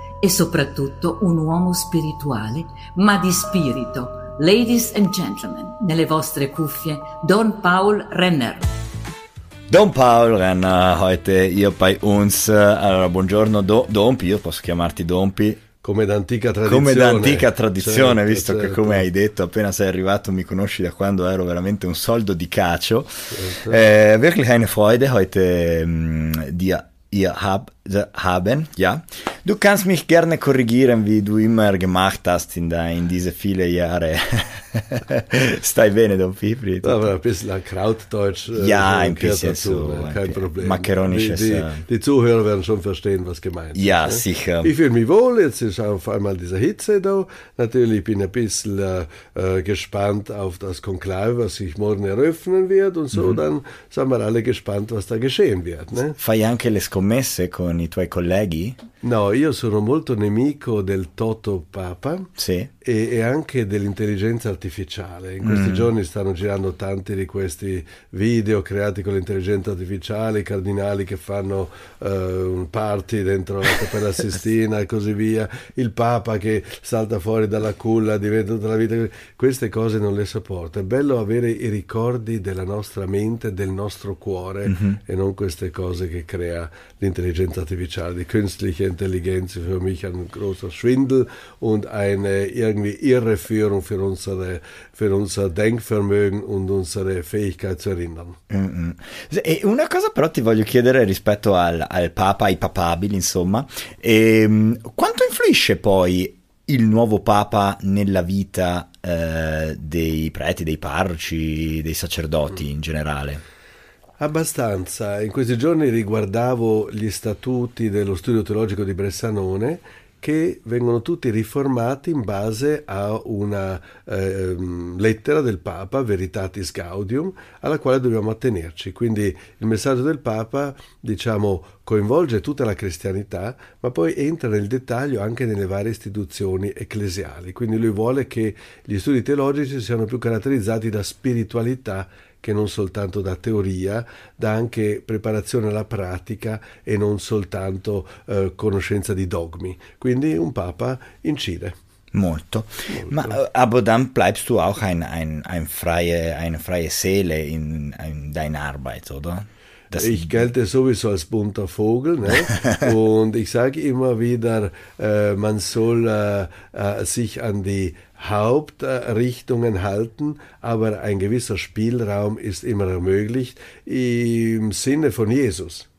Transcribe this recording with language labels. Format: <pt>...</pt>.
<it>E soprattutto un uomo spirituale, ma di spirito.</it> <en>Ladies and gentlemen,</en> <it>nelle vostre cuffie, Don Paul Renner.</it> <de>Don Paul Renner, heute hier bei uns.</de> <it>Allora, buongiorno, Dompi, io posso chiamarti Dompi. Come d'antica tradizione, certo, visto certo. Che come hai detto, appena sei arrivato mi conosci da quando ero veramente un soldo di cacio. Certo.</it> <de>Wirklich eine Freude heute dir. Haben, ja. Du kannst mich gerne korrigieren, wie du immer gemacht hast in diese viele Jahre. Stai bene, Don Pipri? Aber ein bisschen Krautdeutsch. Ja, ein bisschen dazu, so. Kein Problem. Makaronisches. Die Zuhörer werden schon verstehen, was gemeint ja, ist. Ja, sicher. Ich fühle mich wohl, jetzt ist auf einmal diese Hitze da. Natürlich bin ich ein bisschen gespannt auf das Konklave, was sich morgen eröffnen wird und so. Mhm. Dann sind wir alle gespannt, was da geschehen wird. Ne?</de> <it>Fai anche le scommesse con i tuoi colleghi? No, io sono molto nemico del Toto Papa. Sì. E anche dell'intelligenza artificiale. In questi giorni stanno girando tanti di questi video creati con l'intelligenza artificiale, i cardinali che fanno un party dentro la Cappella Sistina e così via, il Papa che salta fuori dalla culla, diventa tutta la vita. Queste cose non le sopporto. È bello avere i ricordi della nostra mente, del nostro cuore, e non queste cose che crea l'intelligenza artificiale, di</it> <de>künstliche Intelligenz, für mich ein großer Schwindel und eine irgendwie Irreführung für unser Denkvermögen und unsere Fähigkeit zu erinnern.</de> <it>E una cosa però ti voglio chiedere rispetto al Papa, ai papabili, insomma, quanto influisce poi il nuovo Papa nella vita dei preti, dei parroci, dei sacerdoti in generale? Abbastanza. In questi giorni riguardavo gli statuti dello studio teologico di Bressanone che vengono tutti riformati in base a una lettera del Papa, Veritatis Gaudium, alla quale dobbiamo attenerci. Quindi il messaggio del Papa, diciamo, coinvolge tutta la cristianità, ma poi entra nel dettaglio anche nelle varie istituzioni ecclesiali. Quindi lui vuole che gli studi teologici siano più caratterizzati da spiritualità che non soltanto da teoria, da anche preparazione alla pratica e non soltanto conoscenza di dogmi. Quindi un papa incide. Molto.</it> <de>Ma aber dann bleibst du auch eine freie Seele in deiner Arbeit, oder? Das ich gelte sowieso als bunter Vogel, ne? Und ich sage immer wieder, man soll sich an die Hauptrichtungen halten, aber ein gewisser Spielraum ist immer ermöglicht im Sinne von Jesus.</de>